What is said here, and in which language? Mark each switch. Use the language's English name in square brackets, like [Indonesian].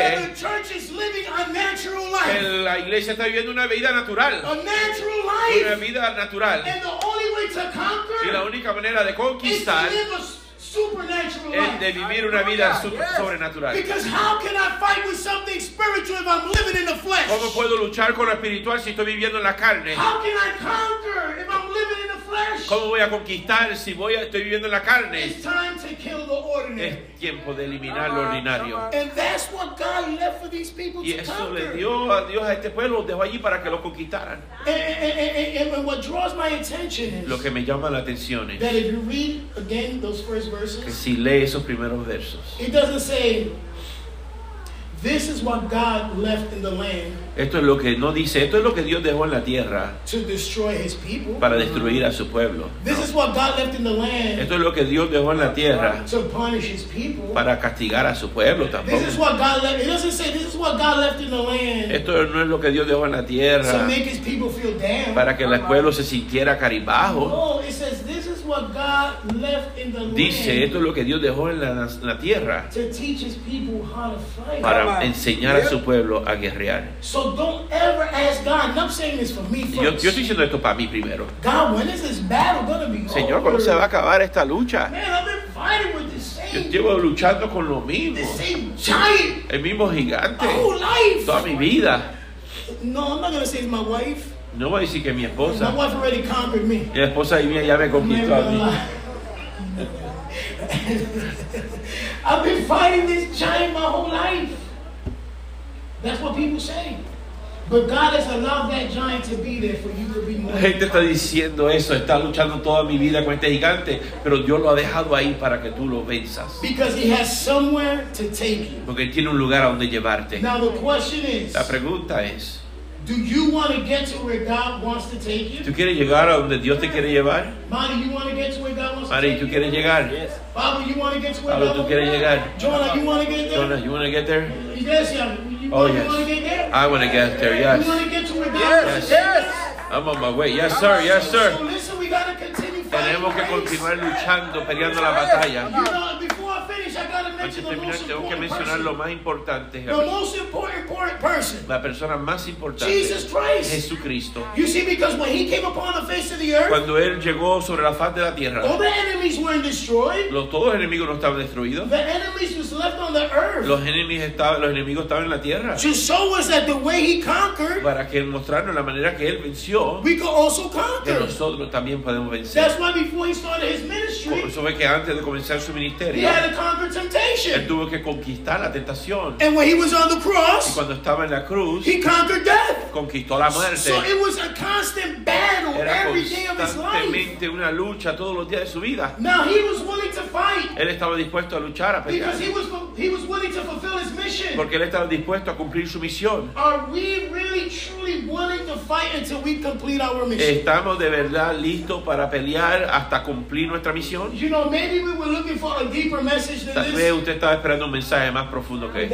[English] that the church is living a natural life. [Spanish] Que la iglesia está viviendo una vida natural. [English] A natural life. [Spanish] Una vida natural. [English] And the only way to conquer, [Spanish] y la única manera de conquistar [English] supernatural life. [Spanish] De vivir una vida sobrenatural. [English] Because how can I fight with something spiritual if I'm living in the flesh? [Spanish] ¿Cómo puedo luchar con lo espiritual si estoy viviendo en la carne? [English] How can I conquer if I'm living in the flesh? flesh. [Spanish] ¿Cómo voy a conquistar si voy a, estoy viviendo en la carne? [English] It's time to kill the ordinary. [Spanish] Es tiempo de eliminar lo ordinario. [English] And that's what God left for these people to conquer. [Spanish] Y eso le dio a Dios a este pueblo, dejó allí para que lo conquistaran. [English] And what draws my attention is [Spanish] lo que me llama la atención es [English] that if you read again those first verses, [Spanish] que si lee esos primeros versos, [English] it doesn't say this is what God left in the land. [Spanish] Esto es lo que no dice. Esto es lo que Dios dejó en la tierra. [English] To destroy his people. [Spanish] Para destruir a su pueblo. [English] This is what God left in the land. [Spanish] Esto es lo que Dios dejó en la tierra. [English] To punish his people. [Spanish] Para castigar a su pueblo tampoco. [English] This is what God left. It doesn't say this is what God left in the land. [Spanish] Esto no es lo que Dios dejó en la tierra. [English] To make his people feel down. [Spanish] Para que el pueblo se sintiera caribajo. [English] No, it says this is what God left in the land. [Spanish] Dice esto es lo que Dios dejó en la tierra. [English] To teach his people how to fight. [Spanish] Para enseñar a su pueblo a guerrear. [English] So don't ever ask God. And I'm saying this for me first. [Spanish] Yo estoy diciendo esto para mí primero. [English] God, when is this battle gonna be over? [Spanish] Señor, ¿cuándo se va a acabar esta lucha? [English] Man, I've been fighting with the same. [Spanish] Yo llevo luchando con lo mismo. [English] The same giant. [Spanish] El mismo gigante. [English] My whole life. [Spanish] Toda mi vida. [English] No, I'm not gonna say it's my wife. [Spanish] No voy a decir que es mi esposa. [English] My wife already conquered me. [Spanish] Mi esposa y mía ya me conquistó a mí. [English] I've been fighting this giant my whole life. That's what people say. But God has allowed that giant to be there for you to be more. [Spanish] La gente está diciendo eso, está luchando toda mi vida con este gigante, pero Dios lo ha dejado ahí para que tú lo venzas. [English] Because he has somewhere to take you. [Spanish] Porque tiene un lugar a donde llevarte. [English] Now the question is, [Spanish] la pregunta es, [English] do you want to get to where God wants to take you? [Spanish] ¿Tú quieres llegar a donde Dios te quiere llevar? [English] Mari, you want to get to where God wants Mari, to take you? [Spanish] Mari, ¿tú quieres llegar? [English] Yes. Bobby, you want to get to where God wants to take you? Llegar? Jonah, you want to get there? Jonah, you want to get there? Yes, yeah. Oh, you yes. Want to get there? I want to get there, yes. You want to get to where God yes, yes, yes. I'm on my way. Yes, sir. Yes, sir. So listen, we got to continue fighting. [Spanish] Tenemos que continuar luchando, peleando la batalla. [English] You know, before I finish, I got to mention the most important [Spanish] tengo que mencionar [English] person. [Spanish] Lo más importante. [English] The most important person. [Spanish] La persona más importante. [English] Jesus Christ. [Spanish] Jesucristo. [English] You see, because when he came upon the face of the earth. [Spanish] Cuando él llegó sobre la faz de la tierra. [English] All the enemies weren't destroyed. [Spanish] Todos los enemigos no estaban destruidos. [English] The enemies was left on the earth. [Spanish] Los enemigos estaban en la tierra. [English] To show us that the way he conquered. [Spanish] Para que mostrarnos la manera que él venció. [English] We could also conquer. [Spanish] Nosotros también podemos vencer. [English] That's why before he started his ministry, [Spanish] eso fue que antes de comenzar su ministerio, [English] he had to conquer temptation. [Spanish] Él tuvo que conquistar la tentación. [English] And when he was on the cross, [Spanish] y cuando estaba en la cruz, [English] he conquered death. [Spanish] Conquistó la muerte. [English] So it was a constant battle [Spanish] era [English] every day of his life. [Spanish] Constantemente una lucha todos los días de su vida. [English] Now he was willing to fight. [Spanish] Él estaba dispuesto a luchar, a pelear. [English] Because he was willing to fulfill his mission. [Spanish] Porque él estaba dispuesto a cumplir su misión. [English] Are we really truly willing to fight until we complete our mission? [Spanish] ¿Estamos de verdad listos para pelear hasta cumplir nuestra misión? [English] You know, maybe we were looking for a deeper message than [Spanish] tal vez usted estaba esperando un mensaje más profundo que este.